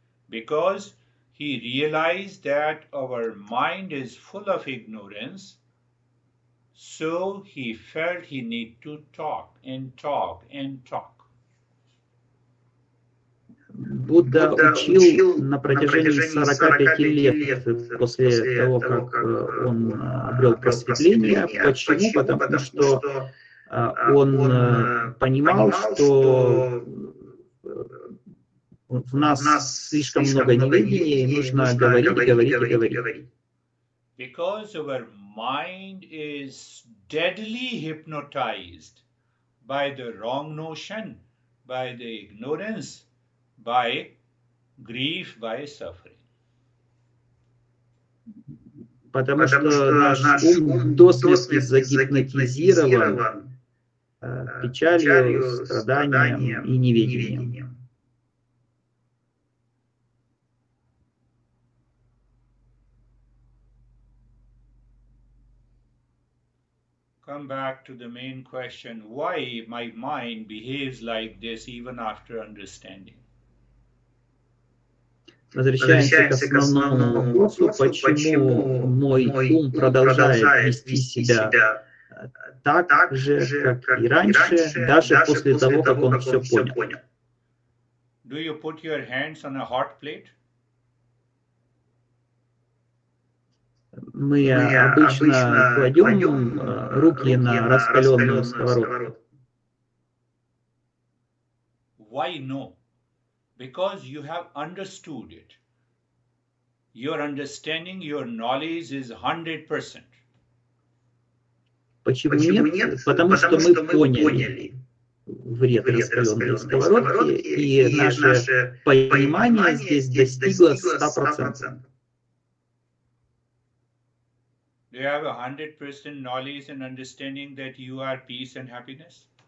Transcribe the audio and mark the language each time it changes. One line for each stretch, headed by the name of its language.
English: Because he realized that our mind is full of ignorance. So he felt he need to talk and talk and talk.
Russian: Будда учил на протяжении 45 лет после того, как он обрел просветление. Почему? Потому что он понимал, что в нас слишком много неведения, и нужно говорить, говорить и говорить.
English: Mind is deadly hypnotized by the wrong notion, by the ignorance, by grief, by suffering.
Russian: Потому что наш ум до смерти загипнотизирован печалью, страданием и неведением.
English: Come back to the main question, why my mind behaves like this even after understanding?
Russian: Возвращаемся к основному вопросу, почему мой ум продолжает вести себя так же, как и раньше, даже после того, как он все понял.
English: Do you put your hands on a hot plate?
Russian: Мы обычно кладем руки на раскаленную сковородку.
English: Why no? Because you have understood it. Your understanding, your knowledge is 100%.
Russian: Почему нет? Потому что мы поняли вред раскаленной сковородки, и наше понимание здесь достигло 100%.
English: Do you have 100% knowledge and understanding that you are peace and happiness?